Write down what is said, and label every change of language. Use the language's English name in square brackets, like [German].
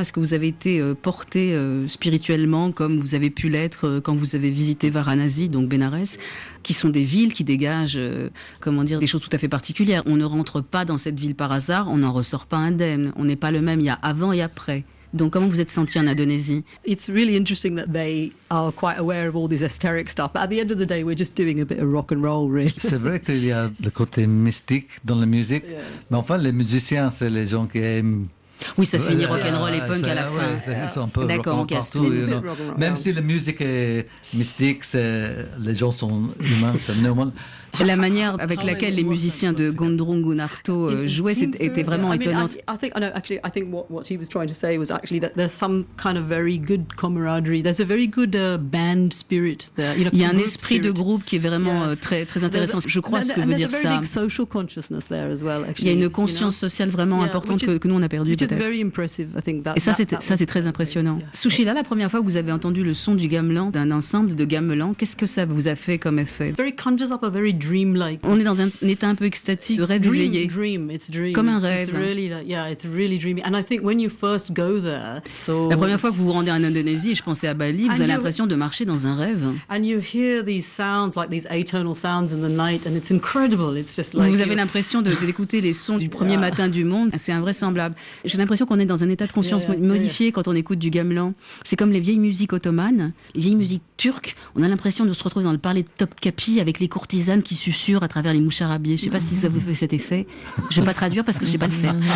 [French] Est-ce que vous avez été porté spirituellement comme vous avez pu l'être quand vous avez visité Varanasi, donc Benares, qui sont des villes qui dégagent, des choses tout à fait particulières? On ne rentre pas dans cette ville par hasard, on n'en ressort pas indemne. On n'est pas le même, il y a avant et après. Donc comment vous êtes senti en Indonésie? [English] It's really interesting that they are quite aware of all this esoteric stuff. But at the end of the day, we're just doing a bit of rock and roll, really. [French] C'est vrai qu'il y a le côté mystique dans la musique. [English] Yeah. [French] Mais enfin, les musiciens, c'est les gens qui aiment... Oui, ça finit rock and roll et punk à la fin. Ouais, c'est un peu rock and roll partout. Même si la musique est mystique, les gens sont humains, c'est normal. La manière avec laquelle les musiciens de Gondron Gunarto jouaient, c'était vraiment étonnante. [English] I think what he was trying to say was actually that there's some kind of very good camaraderie. There's a very good band spirit there. You know, [French] il y a un esprit de groupe qui est vraiment très très intéressant. Je crois ce que veut dire ça. [English] There's a very big social consciousness there as well. [French] Il y a une conscience sociale vraiment importante que nous on a perdu. [English] Which is very impressive, I think. [French] Et ça c'est très impressionnant. Sushila, la première fois que vous avez entendu le son du gamelan, d'un ensemble de gamelans, qu'est-ce que ça vous a fait comme effet? [English] Very conscious of a very dreamlike. [French] On est dans un état un peu extatique, de rêve [English] dream, [French] éveillé. [English] Dream, it's dream. [French] Comme un rêve. [English] It's really like, yeah, it's really dreamy. And I think when you first go there, so [French] la première fois que vous vous rendez en Indonésie, je pensais à Bali, vous avez l'impression de marcher dans un rêve. [English] And you hear these sounds, like these atonal sounds in the night, and it's incredible. It's just like [French] vous avez l'impression d'écouter les sons du premier matin du monde. C'est invraisemblable. J'ai l'impression qu'on est dans un état de conscience modifié quand on écoute du gamelan. C'est comme les vieilles musiques ottomanes, les vieilles musiques turques. On a l'impression de se retrouver dans le palais de Topkapi avec les courtisanes qui susurrent à travers les moucharabiés. Je ne sais pas si vous avez fait cet effet. Je ne vais pas traduire parce que je ne sais pas le faire.